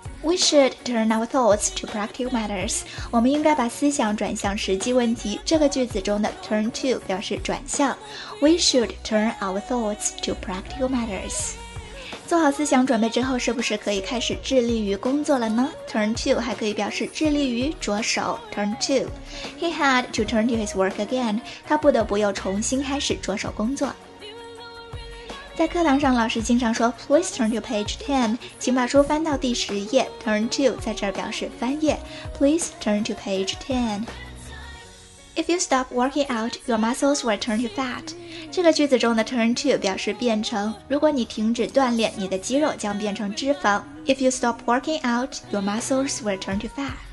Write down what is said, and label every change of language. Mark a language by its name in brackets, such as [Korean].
[English] We should turn our thoughts to practical matters. [Chinese] 我们应该把思想转向实际问题。这个句子中的 turn to 表示转向。 [English] We should turn our thoughts to practical matters. [Chinese] 做好思想准备之后，是不是可以开始致力于工作了呢？ Turn to 还可以表示致力于着手。Turn to. [English] He had to turn to his work again. [Chinese] 他不得不又重新开始着手工作。在课堂上，老师经常说 [English] Please turn to page 10， [Chinese] 请把书翻到第十页。 Turn to 在这儿表示翻页。 [English] Please turn to page 10。 If you stop working out, your muscles will turn to fat。 [Chinese] 这个句子中的 turn to 表示变成，如果你停止锻炼，你的肌肉将变成脂肪。 [English] If you stop working out, your muscles will turn to fat。